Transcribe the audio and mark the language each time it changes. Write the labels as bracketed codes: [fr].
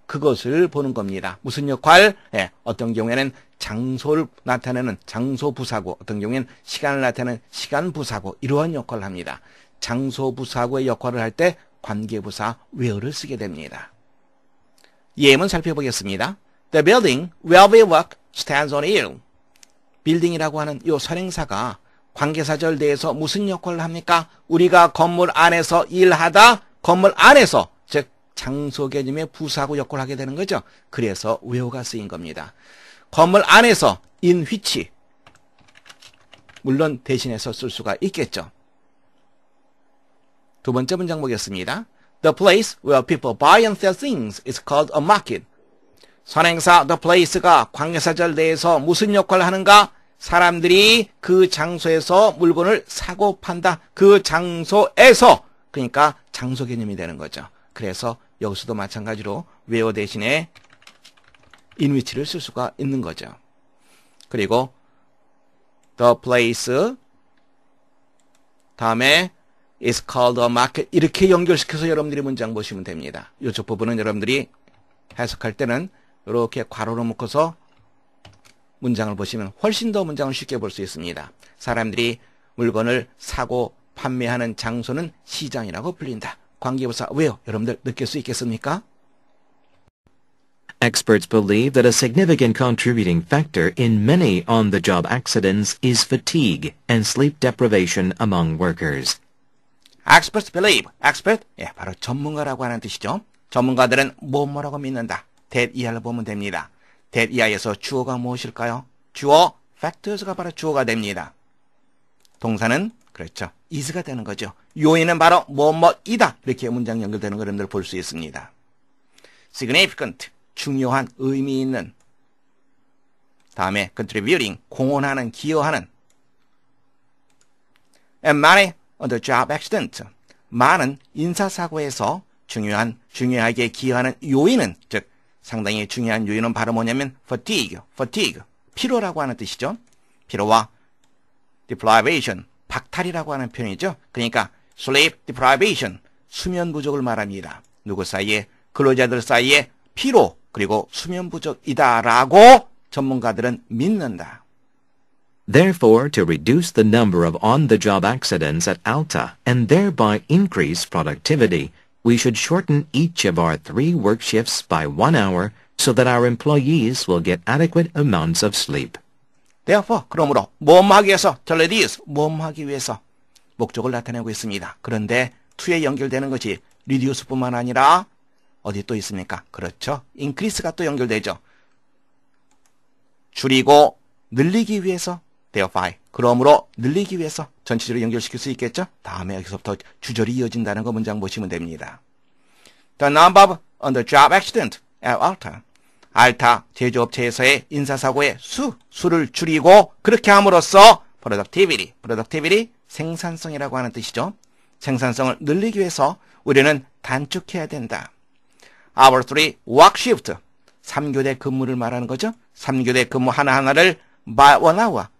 [ko] 그것을 보는 겁니다. 무슨 역할? 예, 어떤 경우에는 장소를 나타내는 장소부사고 어떤 경우에는 시간을 나타내는 시간부사고 이러한 역할을 합니다. 장소부사고의 역할을 할 때 관계부사 where를 쓰게 됩니다. 예문 살펴보겠습니다. [en] The building where we work stands on hill. [ko] 빌딩이라고 하는 이 선행사가 관계사절 내에서 무슨 역할을 합니까? 우리가 건물 안에서 일하다 건물 안에서 즉 장소 개념의 부사고 역할을 하게 되는 거죠. 그래서 where가 쓰인 겁니다. 건물 안에서 in which 물론 대신해서 쓸 수가 있겠죠. 두 번째 문장 보겠습니다. [en] The place where people buy and sell things is called a market. [ko] 선행사 the place가 관계사절 내에서 무슨 역할을 하는가? 사람들이 그 장소에서 물건을 사고 판다. 그 장소에서 그러니까 장소 개념이 되는 거죠. 그래서 여기서도 마찬가지로 where 대신에 in which를 쓸 수가 있는 거죠. 그리고 the place 다음에 [en] is called a market [ko] 이렇게 연결시켜서 여러분들이 문장 보시면 됩니다. 이쪽 부분은 여러분들이 해석할 때는 이렇게 괄호로 묶어서 문장을 보시면 훨씬 더 문장을 쉽게 볼 수 있습니다. 사람들이 물건을 사고 판매하는 장소는 시장이라고 불린다. 관계부사 왜요? 여러분들 느낄 수 있겠습니까? [en] Experts believe that a significant contributing factor in many on-the-job accidents is fatigue and sleep deprivation among workers. Experts believe. Expert? [ko] 예, 바로 전문가라고 하는 뜻이죠. 전문가들은 뭐뭐라고 믿는다. That 이하를 보면 됩니다. That 이하에서 주어가 무엇일까요? 주어, factors가 바로 주어가 됩니다. 동사는, 그렇죠, is가 되는 거죠. 요인은 바로 뭐뭐이다. 이렇게 문장 연결되는 걸 여러분들 볼 수 있습니다. significant, 중요한, 의미 있는. 다음에 contributing, 공헌하는, 기여하는. [en] and money, on the job accident. [ko] 많은 인사사고에서 중요한, 중요하게 기여하는 요인은, 즉, 상당히 중요한 요인은 바로 뭐냐면 fatigue, 피로라고 하는 뜻이죠. 피로와 deprivation, 박탈이라고 하는 표현이죠. 그러니까 sleep deprivation, 수면 부족을 말합니다. 누구 사이에? 근로자들 사이에 피로 그리고 수면 부족이다라고 전문가들은 믿는다. [en] Therefore, to reduce the number of on-the-job accidents at Alta and thereby increase productivity, we should shorten each of our three work shifts by 1 hour so that our employees will get adequate amounts of sleep. [ko] Therefore, 그러므로, 뭐하기 위해서, to reduce, 뭐하기 위해서 목적을 나타내고 있습니다. 그런데 to에 연결되는 것이 reduce뿐만 아니라 어디 또 있습니까? 그렇죠. increase가 또 연결되죠. 줄이고 늘리기 위해서 thereby. 그러므로 늘리기 위해서 전체적으로 연결시킬 수 있겠죠? 다음에 여기서부터 주절이 이어진다는 거 문장 보시면 됩니다. [en] The number of on the job accident at Alta. [ko] Alta 제조업체에서의 인사사고의 수를 줄이고 그렇게 함으로써 productivity 생산성이라고 하는 뜻이죠. 생산성을 늘리기 위해서 우리는 단축해야 된다. [en] Our three work shift. [ko] 3교대 근무를 말하는 거죠. 3교대 근무 하나하나를 [en] by 1 hour.